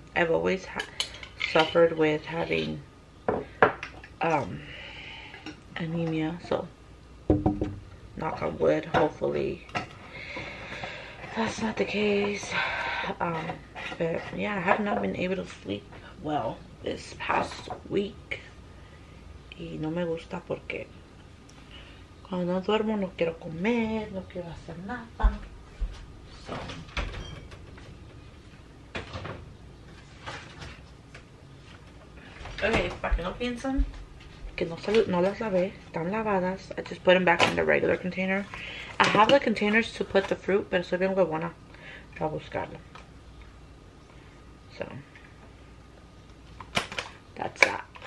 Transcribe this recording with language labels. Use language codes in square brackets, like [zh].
[en] I've always suffered with having anemia, so knock on wood, hopefully that's not the case. But yeah, I have not been able to sleep well this past week. [es] Y no me gusta porque cuando no duermo no quiero comer, no quiero hacer nada. So. Okay, para que no piensen que no las lavé, están lavadas. [en] I just put them back in the regular container. I have the containers to put the fruit, [es] pero soy bien huevona para buscarlo. [en] So. That's that.